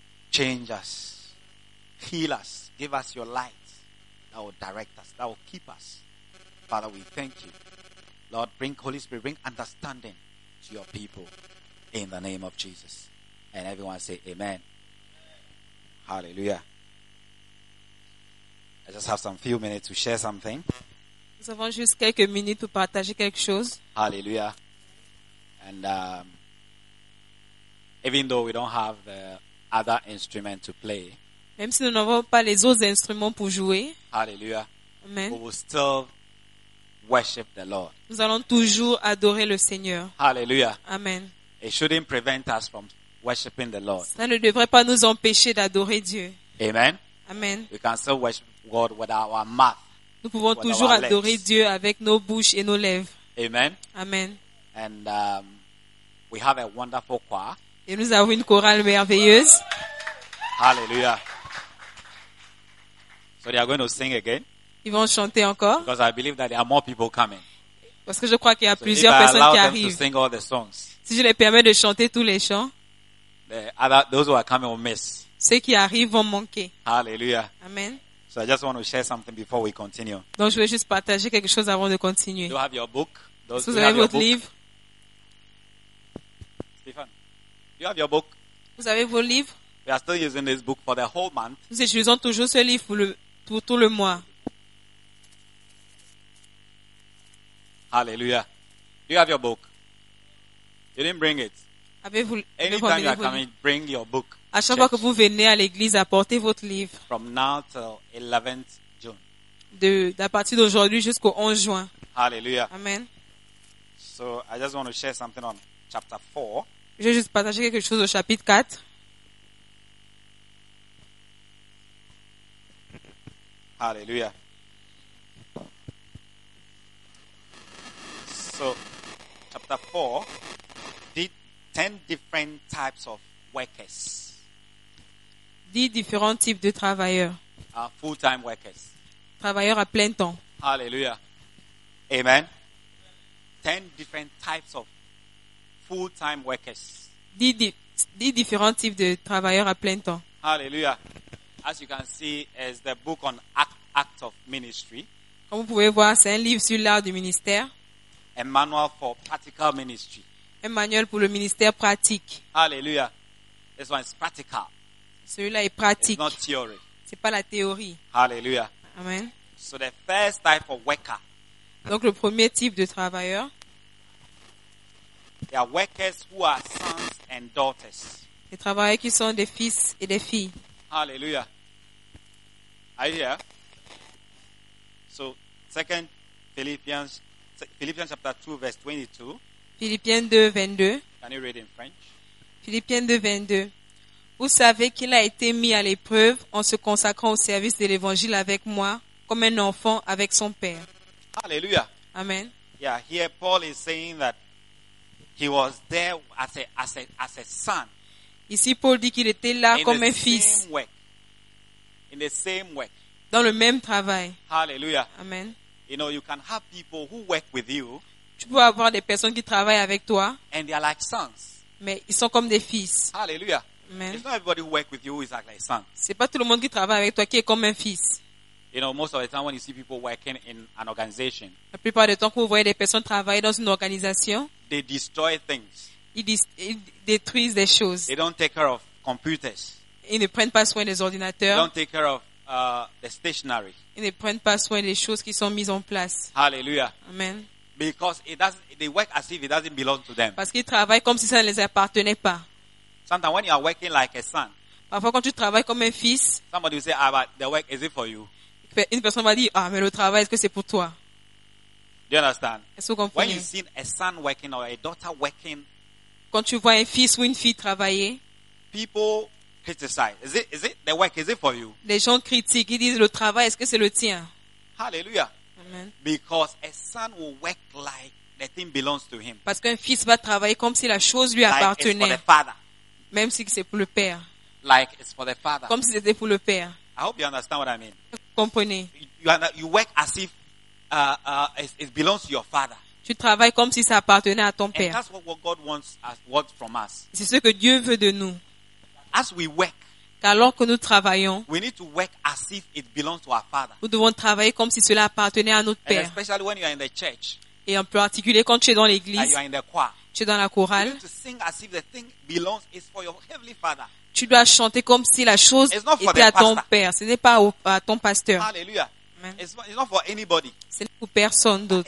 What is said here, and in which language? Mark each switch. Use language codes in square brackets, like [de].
[en] Change us. Heal us. Give us your light that will direct us, that will keep us. Father, we thank you. Lord, bring Holy Spirit, bring understanding to your people in the name of Jesus. And everyone say amen. Amen. Hallelujah. I just have some few minutes to share something. [fr] Nous avons juste quelques minutes pour partager quelque chose. [en] Hallelujah. And even though we don't have the other instrument to play, [fr] même si nous n'avons pas les autres instruments pour jouer, [en] hallelujah. Amen. We will still worship the Lord. [fr] Nous allons toujours adorer le Seigneur. [en] Hallelujah. Amen. It shouldn't prevent us from worshiping the Lord. [fr] Ça ne devrait pas nous empêcher d'adorer Dieu. [en] Amen. Amen. We can still worship God with our mouth. [fr] Nous pouvons toujours adorer Dieu avec nos bouches et nos lèvres. [en] Amen. Amen. And we have a wonderful choir. [fr] Et nous avons une chorale merveilleuse. [en] Hallelujah. So they are going to sing again. [fr] Ils vont chanter encore. [en] Because I believe that there are more people coming. [fr] Parce que je crois qu'il y a plusieurs personnes qui arrivent. [en] To sing all the songs, [fr] si je les permets de chanter tous les chants, [en] those who are coming will miss. [fr] Ceux qui arrivent vont manquer. [en] Hallelujah. Amen. So I just want to share something before we continue. [fr] Donc je veux juste partager quelque chose avant de continuer. [en] Do you have your book? [fr] Si vous avez votre livre. [en] Stephen, do you have your book? [fr] Vous avez vos livres? [en] We are still using this book for the whole month. [fr] Nous utilisons toujours ce livre pour tout le mois. [en] Hallelujah. Do you have your book? You didn't bring it. Anytime you are coming, bring your book. [fr] À chaque fois que vous venez à l'église, apportez votre livre. [en] From now till 11th June. [fr] D'à partir d'aujourd'hui jusqu'au 11 juin. [en] Hallelujah. Amen. So I just want to share something on chapter 4. [fr] Je vais juste partager quelque chose au chapitre 4. [en] Hallelujah. So, chapter 4, 10 different types of workers. [fr] 10 différents types de travailleurs. [en] Full-time workers. [fr] Travailleurs à plein temps. [en] Hallelujah. Amen. 10 different types of full-time workers. [fr] 10 différents types de travailleurs à plein temps. [en] Hallelujah. As you can see, it's the book on act of ministry. [fr] Comme vous pouvez voir, c'est un livre sur l'art du ministère. [en] A manual for practical ministry. [fr] Un manuel pour le ministère pratique. [en] Hallelujah. This one is practical. [fr] Celui-là est pratique. [en] It's not theory. [fr] C'est pas la théorie. [en] Hallelujah. Amen. So the first type of worker. [fr] Donc le premier type de travailleur. [en] They are workers who are sons and daughters. [fr] Les travailleurs qui sont des fils et des filles. [en] Hallelujah. Are you here? So, second Philippians. Philippians chapter 2 verse 22. [fr] Philippiens 2 22. [en] Can you read in French? [fr] Philippiens 2 22. Vous savez qu'il a été mis à l'épreuve en se consacrant au service de l'évangile avec moi comme un enfant avec son père. [en] Hallelujah. Amen. Yeah, here Paul is saying that he was there as a son. [fr] Ici Paul dit qu'il était là comme un fils. [en] In the same work. [fr] Dans le même travail. [en] Hallelujah. Amen. You know, you can have people who work with you. [fr] Tu peux avoir des personnes qui travaillent avec toi. [en] And they are like sons. [fr] Mais ils sont comme des fils. [en] Hallelujah. Amen. It's not everybody who works with you who is like a son. [fr] C'est pas tout le monde qui travaille avec toi qui est comme un fils. [en] You know, most of the time when you see people working in an organization. [fr] La plupart du temps quand vous voyez des personnes travailler dans une organisation. [en] They destroy things. [fr] Ils détruisent des choses. [en] They don't take care of computers. [fr] Ils ne prennent pas soin des ordinateurs. [en] They don't take care of the stationery. [fr] Ils ne prennent pas soin des choses qui sont mises en place. [en] Hallelujah. Amen. Because it doesn't, they work as if it doesn't belong to them. [fr] Parce qu'ils travaillent comme si ça ne les appartenait pas. [en] Sometimes when you are working like a son. [fr] Parfois quand tu travailles comme un fils. [en] Somebody will say, ah, but the work is it for you? [fr] Une personne va dire, ah, mais le travail, est-ce que c'est pour toi? [en] Do you understand? [fr] Est-ce que vous comprenez? [en] When you see a son working or a daughter working. [fr] Quand tu vois un fils ou une fille travailler. [en] People criticize. Is it the work? Is it for you? [fr] Les gens critiquent. Ils disent, le travail, est-ce que c'est le tien? [en] Hallelujah. Amen. Because a son will work like the thing belongs to him. [fr] Parce qu'un fils va travailler comme si la chose lui appartenait. [en] Like it's for the father. [fr] Même si c'est pour le père. [en] Like it's for the father. [fr] Comme si c'était pour le père. [en] I hope you understand what I mean. [fr] Comprenez. [en] You work as if it belongs to your father. [fr] Tu travailles comme si ça appartenait à ton [en] and [fr] père. [en] That's what God wants from us. [fr] C'est ce que Dieu veut de nous. [en] As we work, [fr] alors que nous travaillons, [en] we need to work as if it belongs to our father. [fr] Nous devons travailler comme si cela appartenait à notre [en] and [fr] père. [en] Especially when you are in the church. [fr] Et en particulier quand tu es dans l'église. [en] You are in the choir. [fr] Tu es dans la chorale. [en] You need to sing as if the thing belongs is for your heavenly father. [fr] Tu dois chanter comme si la chose était à ton père. Ce n'est pas à ton pasteur. [en] It's not for anybody. [fr] Ce n'est pour personne d'autre.